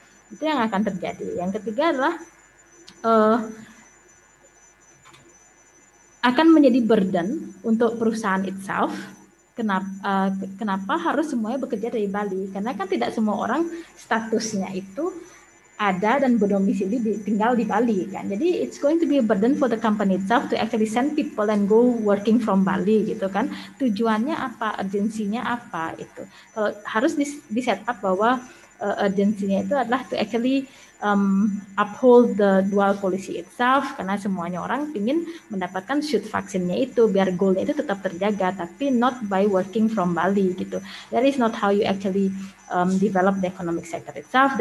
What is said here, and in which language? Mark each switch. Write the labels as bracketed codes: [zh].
[id] Itu yang akan terjadi. Yang ketiga adalah akan menjadi burden untuk perusahaan itself. Kenapa harus semuanya bekerja dari Bali? Karena kan tidak semua orang statusnya itu ada dan berdomisili tinggal di Bali kan. [en] Jadi it's going to be a burden for the company itself to actually send people and go working from Bali [id] gitu kan. Tujuannya apa? Urgensinya apa itu? Kalau harus di set up bahwa urgensinya itu adalah [en] to actually uphold the dual policy itself, [id] karena semuanya orang ingin mendapatkan shoot vaksinnya itu biar goalnya itu tetap terjaga, tapi [en] not by working from Bali [id] gitu. [en] That is not how you actually develop the economic sector itself.